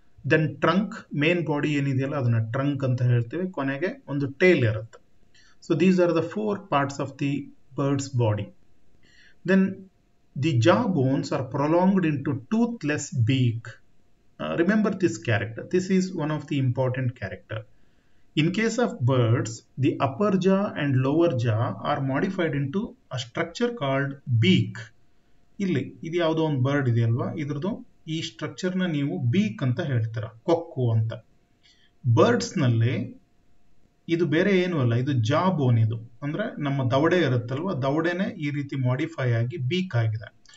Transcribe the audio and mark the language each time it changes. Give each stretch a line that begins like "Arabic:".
Kannada: Then trunk, main body ಏನಿದೆಯಲ್ಲ ಅದನ್ನು trunk ಅಂತ ಹೇಳ್ತೀವಿ. ಕೊನೆಗೆ ಒಂದು ಟೇಲ್ ಇರುತ್ತೆ.
English: So these are the four parts of the bird's body. Then the jaw bones are prolonged into toothless beak. Remember this character, this is one of the important character. In case of birds, the upper jaw and lower jaw are modified into a structure called beak.
Kannada: ಇಲ್ಲಿ ಇದು ಯಾವುದೋ ಒಂದು bird ಇದೆಯಲ್ವಾ, ಇದ್ರದ್ದು ಈ ಸ್ಟ್ರಕ್ಚರ್ನ ನೀವು beak ಅಂತ ಹೇಳ್ತೀರ, ಕೊಕ್ಕು ಅಂತ. ಬರ್ಡ್ಸ್ನಲ್ಲಿ ಇದು ಬೇರೆ ಏನೂ ಅಲ್ಲ, ಇದು ಜಾ ಬೋನ್. ಇದು ಅಂದರೆ ನಮ್ಮ ದವಡೆ ಇರುತ್ತಲ್ವ, ದವಡೆನೇ ಈ ರೀತಿ ಮಾಡಿಫೈ ಆಗಿ ಬೀಕ್ ಆಗಿದೆ.